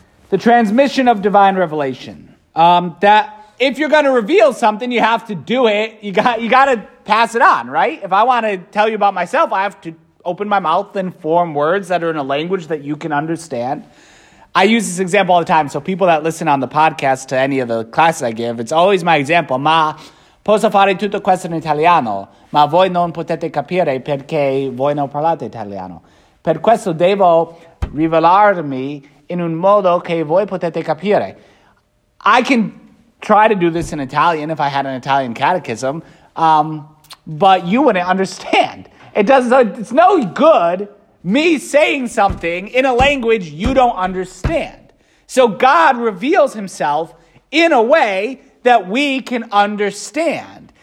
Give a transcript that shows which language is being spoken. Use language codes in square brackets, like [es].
[en] The transmission of divine revelation. That if you're going to reveal something, you have to do it. You got to pass it on, right? If I want to tell you about myself, I have to open my mouth and form words that are in a language that you can understand. I use this example all the time. So people that listen on the podcast to any of the classes I give, it's always my example. [it] Posso fare tutto questo in italiano, ma voi non potete capire perché voi non parlate italiano. Per questo devo rivelarmi in un modo che voi potete capire. [en] I can try to do this in Italian if I had an Italian catechism, but you wouldn't understand. It's no good me saying something in a language you don't understand. So God reveals himself in a way that we can understand.